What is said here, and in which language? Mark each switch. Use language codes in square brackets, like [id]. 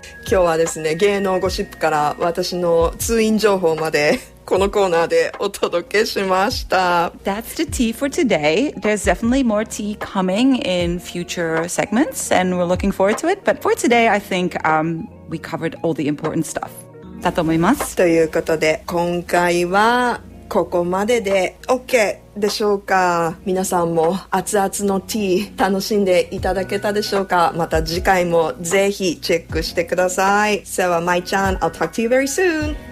[ja] 今日はですね、芸能ゴシップから私の通院情報までこのコーナーでお届けしました。 [en] That's the tea for today. There's definitely more tea coming in future segments, and we're looking forward to it. But for today, I think we covered all the important stuff. [ja] だと思います。ということで、今回はここまでで OK でしょうか。皆さんも熱々のティー楽しんでいただけたでしょうか。また次回もぜひチェックしてください。ではまいちゃん、 [en] I'll talk to you very soon.